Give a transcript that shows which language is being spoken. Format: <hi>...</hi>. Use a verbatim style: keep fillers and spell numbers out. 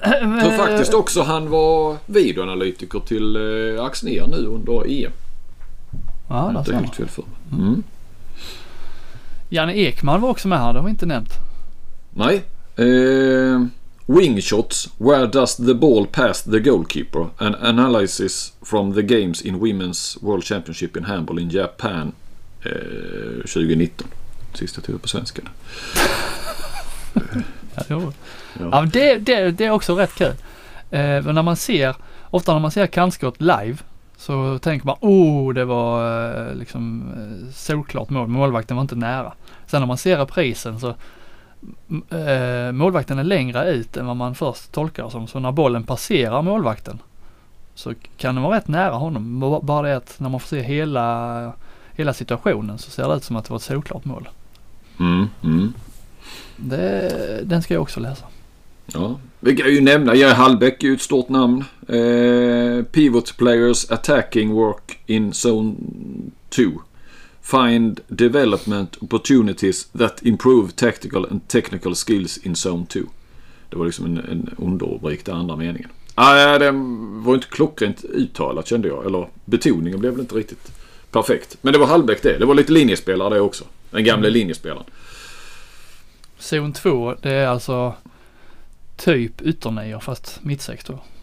<sv>Jag tror faktiskt också han var videoanalytiker till Axner nu under E M. Ja, det är helt fel för mig. Mm. Janne Ekman var också med här, det har vi inte nämnt. Nej.</sv> <en>Eh, Wingshots, where does the ball pass the goalkeeper? An analysis from the games in Women's World Championship in handball in Japan eh, tjugonitton.</en> <sv>Sista tur på svenska. Ja, ja, det, det, det är också rätt kul. Eh, när man ser, ofta när man ser kantskott live så tänker man, oh, det var eh, liksom såklart mål, målvakten var inte nära. Sen när man ser reprisen så eh, målvakten är längre ut än vad man först tolkar som. Så när bollen passerar målvakten så kan den vara rätt nära honom. Bara det att när man får se hela, hela situationen så ser det ut som att det var ett såklart mål. Mm, mm. Det, den ska jag också läsa. Ja, vi kan ju nämna Jerry Hallbäck är ju ett stort namn.</sv> <en>eh, Pivot players attacking work in zone two, find development opportunities that improve tactical and technical skills in zone two.</en> <sv>Det var liksom en, en underrubrik där, andra meningen. Nej, ah, det var inte klockrent uttalat, kände jag. Eller betoningen blev väl inte riktigt perfekt. Men det var Hallbäck det, det var lite linjespelare det också. Den gamla linjespelaren. Zon två, det är alltså typ ytternior fast mittsex då.</sv>